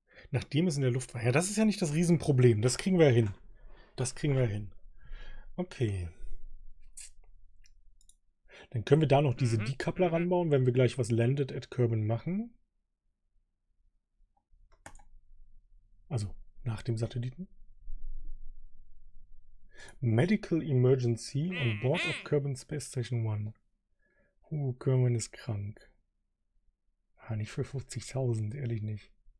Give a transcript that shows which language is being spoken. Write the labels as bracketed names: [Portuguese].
[German] Nachdem es in der Luft war. Ja, das ist ja nicht das Riesenproblem. Das kriegen wir ja hin. Das kriegen wir ja hin. Okay. Dann können wir da noch diese Decoupler ranbauen, wenn wir gleich was Landed at Kerbin machen. Also, nach dem Satelliten. [English] Medical Emergency on board of Kerbin Space Station 1. [German] Kerbin ist krank. Ah, nicht für 50.000, ehrlich nicht.